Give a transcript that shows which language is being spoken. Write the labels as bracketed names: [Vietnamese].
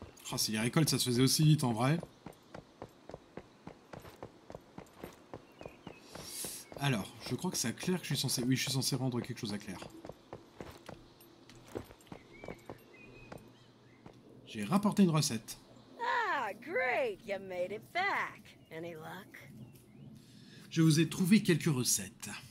[French] Oh, si les récoltes, ça se faisait aussi vite en vrai. Alors, je crois que c'est à Claire que je suis censé... Oui, je suis censé rendre quelque chose à Claire. J'ai rapporté une recette. [English] Ah, great, you made it back. Any luck? [French] Je vous ai trouvé quelques recettes.